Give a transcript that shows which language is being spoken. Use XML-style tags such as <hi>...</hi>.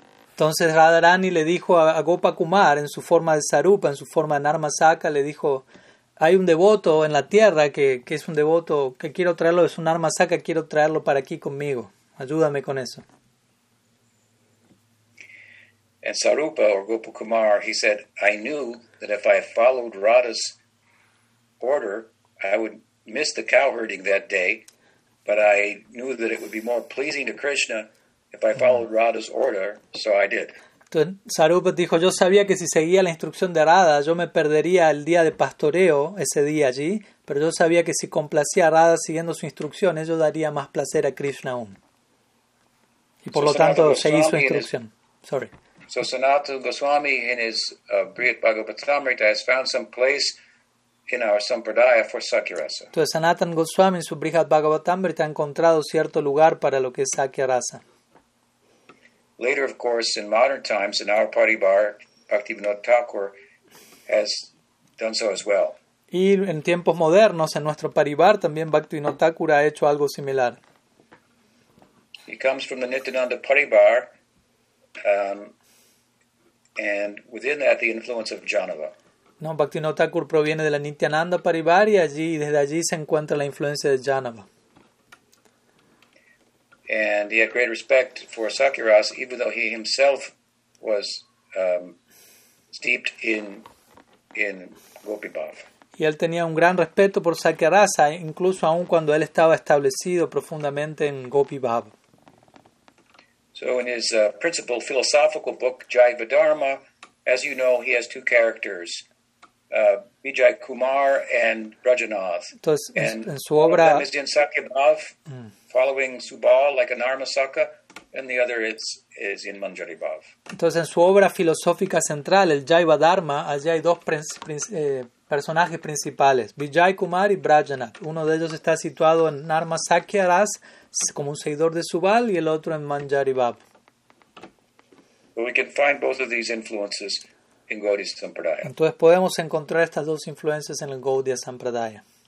<es>Entonces Radharani le dijo a Gopal Kumar en su forma de Sarupa, en su forma de Narmasaka, le dijo, hay un devoto en la tierra que es un devoto que quiero traerlo, es un Narmasaka, quiero traerlo para aquí conmigo, ayúdame con eso.</es> <en>And Sarupa, or Gopal Kumar, he said, I knew that if I followed Radha's order, I would miss the cow herding that day. But I knew that it would be more pleasing to Krishna if I followed Radha's order, so I did.</en> <es>Entonces, Sarupa dijo, yo sabía que si seguía la instrucción de Radha, yo me perdería el día de pastoreo ese día allí, pero yo sabía que si complacía a Radha siguiendo su instrucción, eso daría más placer a Krishna aún. Y por</es> <en>so</en> <es>lo Sanatana tanto, seguí su instrucción.</es> <en>Sorry. So Sanatana Goswami in his Brihat Bhagavatamrita has found some place in our Sampradaya for Sakyarasa.</en> <es>Entonces, Sanatan Goswami en su Brihat Bhagavatamrita ha encontrado cierto lugar para lo que es Sakyarasa.</es> <en>Later, of course, in modern times, in our Paribar, Bhaktivinoda Thakur has done so as well.</en> <es>Y en tiempos modernos, en nuestro Paribar, también Bhaktivinoda Thakur ha hecho algo similar.</es> <en>He comes from the Nityananda Paribar, and within that, the influence of Janava.</en> <es>No, Bhaktivinoda Thakur proviene de la Nityananda Paribar y allí, desde allí se encuentra la influencia de Janava.</es> <en>And he had great respect for Sakyarasa, even though he himself was steeped in Gopi Bhav.</en> <es>Y él tenía un gran respeto por Sakyarasa, incluso aún cuando él estaba establecido profundamente en Gopi Bhav.</es> <en>So in his principal philosophical book, Jiva Dharma, as you know, he has two characters. Vijay Kumar and Rajanath.</en> <es>Entonces, en su obra,</es> <en>one of them is in Sakya Bhav, following Subal like a Narmasaka, and the other is in Manjari Bhav.</en> <es>Entonces, en su obra filosófica central, el Jaiva Dharma, allí hay dos personajes principales, Vijay Kumar y Rajanath. Uno de ellos está situado en Narmasakya Ras, como un seguidor de Subal, y el otro en Manjari Bhav.</es> <en>Well, we can find both of these influences.</en> <es>Entonces podemos encontrar estas dos influencias en el Gaudiya Sampradaya.</es>